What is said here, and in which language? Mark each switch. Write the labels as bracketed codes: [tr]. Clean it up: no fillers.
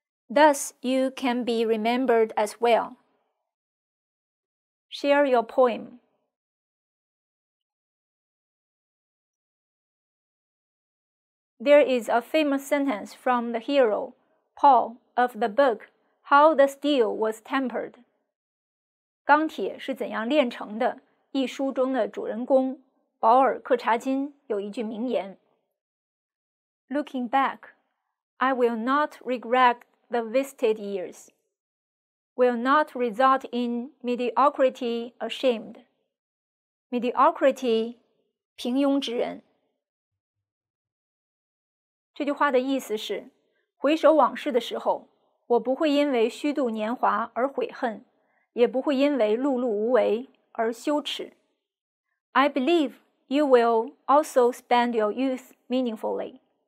[en] Thus, you can be remembered as well. Share your poem. There is a famous sentence from the hero, Paul, of the book, How the Steel Was Tempered. [zh] 钢铁是怎样炼成的？一书中的主人公保尔·柯察金有一句名言。 [en] Looking back, I will not regret the wasted years, will not result in mediocrity ashamed. [zh] Mediocrity, 平庸之人。这句话的意思是，回首往事的时候，我不会因为虚度年华而悔恨，也不会因为碌碌无为而羞耻。 [en] I believe you will also spend your youth meaningfully.